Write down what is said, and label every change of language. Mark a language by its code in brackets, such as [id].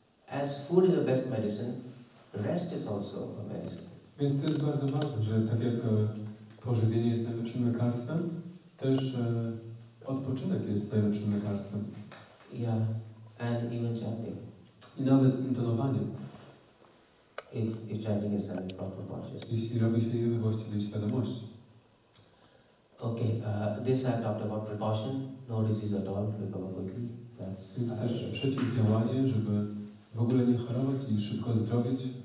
[en] As food is the best medicine, rest is also a medicine. [pl] Więc to jest bardzo ważne, że tak jak pożywienie jest najlepszym lekarstwem, też odpoczynek jest najlepszym lekarstwem. [en] Yeah, and even chanting. [pl] I nawet intonowanie. [en] If chanting is done in proper conscious. [pl] Jeśli robi się je we właściwej świadomości. [en] Okay, this I talked about precaution, no disease at all, recover quickly. [pl] Więc też przeciwdziałanie, żeby w ogóle nie chorować i szybko zdrowieć.